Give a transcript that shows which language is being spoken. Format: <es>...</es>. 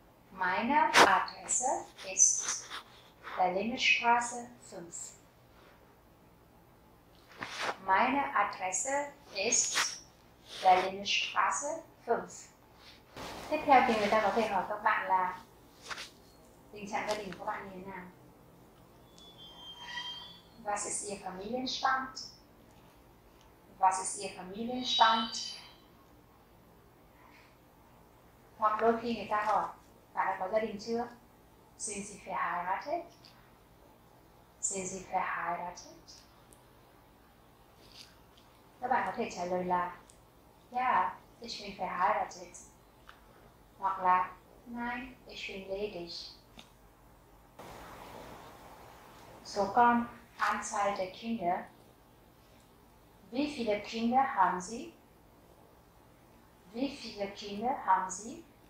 <de>Meine Adresse ist Berliner Straße 5. Meine Adresse ist Berliner Straße 5.</de> <vi>Tiếp theo thì người ta có thể hỏi các bạn là tình trạng gia đình của bạn như thế nào?</vi> <de>Was ist Ihr Familienstand? Was ist Ihr Familienstand?</de> <vi>Hoặc đôi khi người ta hỏi bạn đã có gia đình chưa?</vi> <de>Sind Sie verheiratet? Sind Sie verheiratet?</de> <vi>Các bạn có thể trả lời là</vi> <de>Yeah, ich bin verheiratet.</de> <vi>Hoặc là</vi> <de>Nein, ich bin ledig.</de> <vi>So con,</vi> <de>Anzahl der Kinder. Wie viele Kinder haben Sie? Wie viele Kinder haben Sie?</de>